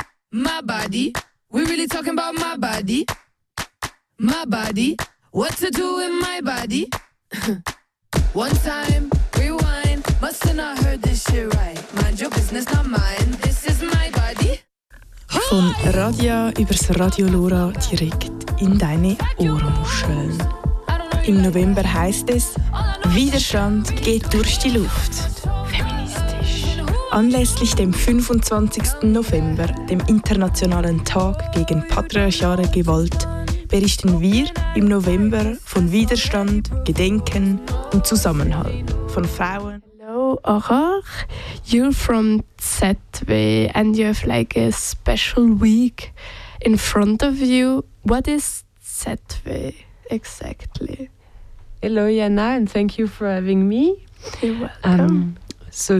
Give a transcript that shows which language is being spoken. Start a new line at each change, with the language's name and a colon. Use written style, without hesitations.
English: my body. We really talking about my body. my body, what to do with my body. One time, rewind, must have not heard this shit right. Mind your business, not mine, this is my body.
German: Von Radia übers Radio Lora direkt in deine Ohrmuscheln. Im November heisst es, Widerstand geht durch die Luft. Feministisch. Anlässlich dem 25. November, dem Internationalen Tag gegen patriarchale Gewalt, berichten wir im November von Widerstand, Gedenken und Zusammenhalt von Frauen.
English: Achach, you're from ZW and you have like a special week in front of you. What is ZW exactly? Hello Jana and thank you for having me. You're welcome. So